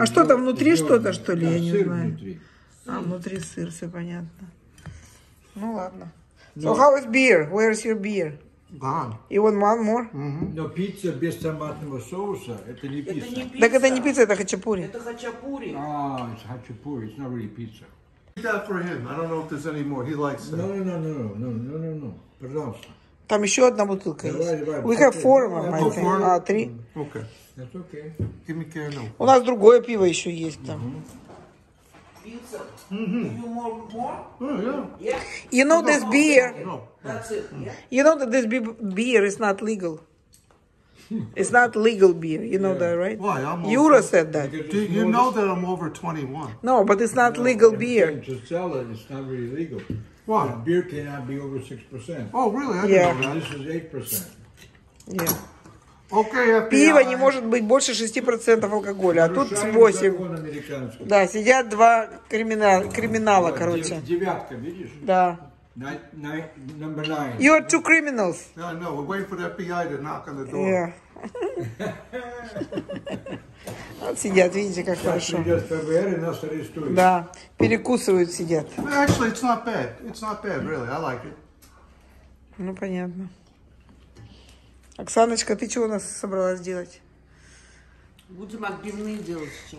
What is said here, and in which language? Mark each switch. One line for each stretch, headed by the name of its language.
Russian: А что там внутри что-то что ли? Я не знаю. Сыр внутри. А внутри сыр, все понятно. Ну ладно.
English: So how is beer? Where is your beer? Gone. You want one more? Mm-hmm.
Russian: Но пицца без томатного соуса, это не пицца. Это не пицца. Так это не пицца, это хачапури. Это хачапури.
English: Ah, it's хачапури, it's not really pizza. Eat that for him, I don't know if there's any more, he likes that. No.
Russian: Пожалуйста. Там еще одна бутылка давай, есть. Давай.
English: We have four of them, I think. Four?
Russian: А, три.
English: Okay. That's okay. Give me care now.
Russian: У нас другое пиво еще есть там. Пицца? Mm-hmm.
English: You want more? Yeah. You know no, this beer? No. That's it. Yeah. You know that this beer is not legal. It's not legal beer. You know that, right? Why? I'm Yura over, said that. You know that I'm over 21. No, but it's not no, legal beer. Just sell it. It's not really legal. Why? The beer cannot be over 6%. Oh, really? I didn't know that. This is 8%. Yeah.
Russian: Пиво не может быть больше 6% алкоголя, а тут 8%. Да, сидят два криминала, короче. Девятка, видишь? Да.
English: Number nine. You are two criminals. No, we're waiting for the FBI to knock on the door. Yeah.
Russian: Вот сидят, видите, как сейчас хорошо. Сейчас придет ФБР и нас арестуют. Да, перекусывают, сидят.
English: Actually, it's not bad. It's not bad, really. I like it.
Russian: Ну, понятно. Оксаночка, ты чего у нас собралась делать? Будем отбивные делать сейчас.